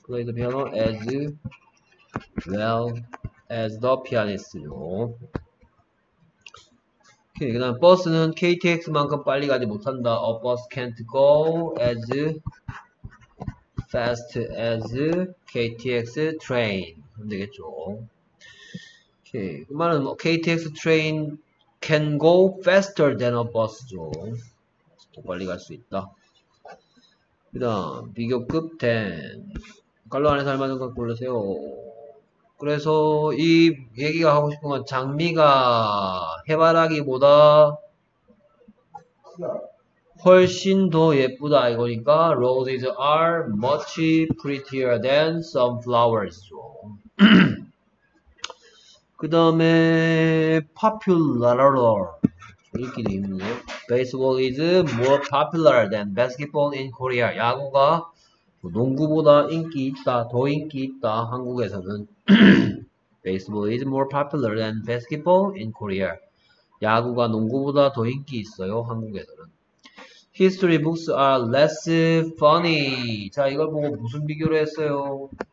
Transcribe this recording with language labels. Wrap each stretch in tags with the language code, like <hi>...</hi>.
<en>plays the piano as well as the pianist죠.</en> <ko>그 다음 버스는 KTX만큼 빨리 가지 못한다.</ko> <en>A bus can't go as fast as KTX train.</en> <ko>안 되겠죠. 오케이. 그 말은 뭐</ko> <en>KTX train can go faster than a bus죠.</en> <ko>더 빨리 갈 수 있다. 그 다음 비교급 10. 칼로 안에서 알맞은 걸 고르세요. 그래서 이 얘기가 하고 싶은 건 장미가 해바라기보다 훨씬 더 예쁘다 이거니까</ko> <en>roses are much prettier than sunflowers.</en> <ko>그 다음에 popular 읽기도 힘드네요.</ko> <en>baseball is more popular than basketball in Korea.</en> <ko>야구가 농구보다 인기 있다, 더 인기 있다 한국에서는.</ko> <en>baseball is more popular than basketball in Korea.</en> <ko>야구가 농구보다 더 인기 있어요 한국에서는.</ko> <en>history books are less funny.</en> <ko>자 이걸 보고 무슨 비교를 했어요?</ko>